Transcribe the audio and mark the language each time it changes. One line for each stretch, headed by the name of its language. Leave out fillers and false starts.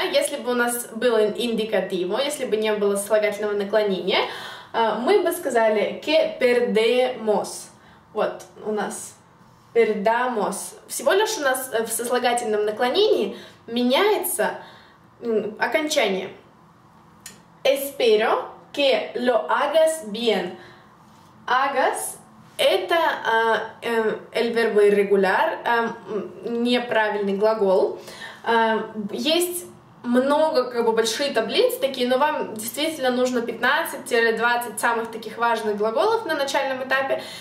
Russian: Если бы у нас был индикативо, если бы не было сослагательного наклонения, мы бы сказали
Spanish: que perdemos.
Russian: Вот у нас perdamos. Всего лишь у нас в сослагательном наклонении меняется окончание.
Spanish: Espero que lo hagas bien. Hagas —
Russian: это
Spanish: el verbo irregular,
Russian: неправильный глагол. Есть много, как бы, большие таблицы такие, но вам действительно нужно 15-20 самых таких важных глаголов на начальном этапе.